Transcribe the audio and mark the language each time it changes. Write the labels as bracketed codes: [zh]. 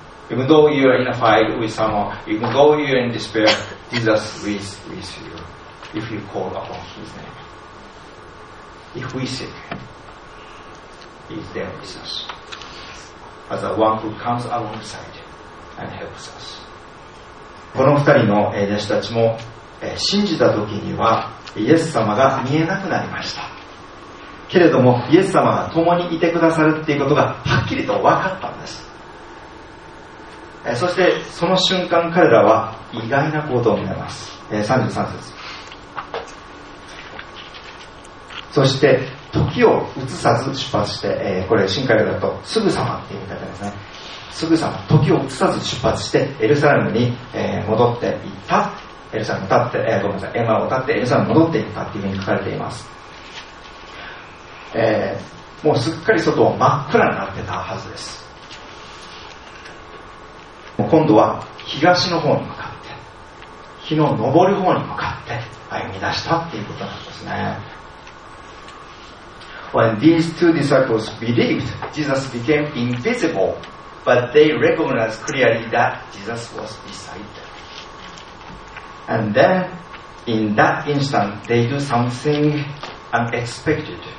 [en] Even though you are in a fight with someone, even though you are in despair, Jesus is with you if you call upon his name. If we seek him, he is there with us as the one who comes alongside and helps us. [ja] この二人の弟子たちも信じた時にはイエス様が見えなくなりました。けれどもイエス様が共にいてくださるっていうことがはっきりと分かったんです。そしてその瞬間彼らは意外な行動を見ます。 33節そして時を移さず出発して、これ新海だとすぐさまって言い方ですね。すぐさま時を移さず出発してエルサレムに戻っていった。エルサレムに立って、ごめんなさい、エマを立ってエルサレムに戻っていったっていうふうに書かれています。もうすっかり外は真っ暗になってたはずです。今度は東の方に向かって日の昇る方に向かって歩み出したっていうことなんですね。 [en] When these two disciples believed, Jesus became invisible, but they recognized clearly that Jesus was beside them. And then, in that instant, they do something unexpected.